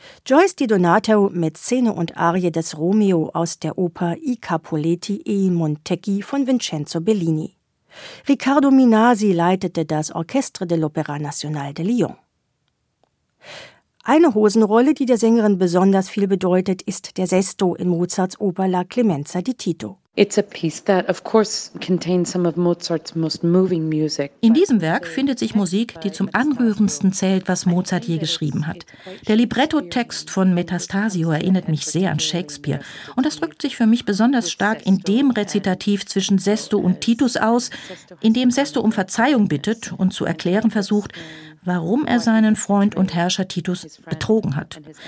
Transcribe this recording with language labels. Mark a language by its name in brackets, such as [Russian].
[German] Joyce Di Donato mit Szene und Arie des Romeo aus der Oper I Capuleti e i Montecchi von Vincenzo Bellini. Riccardo Minasi leitete das Orchestre dell'Opera Nazionale de Lyon. Eine Hosenrolle, die der Sängerin besonders viel bedeutet, ist der Sesto in Mozarts Oper La Clemenza di Tito. [English] It's a piece that of course contains some of Mozart's most moving music. [German] In diesem Werk findet sich Musik, die zum anrührendsten zählt, was Mozart je geschrieben hat. Der Librettotext von Metastasio erinnert mich sehr an Shakespeare. Und das drückt sich für mich besonders stark in dem Rezitativ zwischen Sesto und Titus aus, in dem Sesto um Verzeihung bittet und zu erklären versucht, warum er seinen Freund und Herrscher Titus betrogen hat.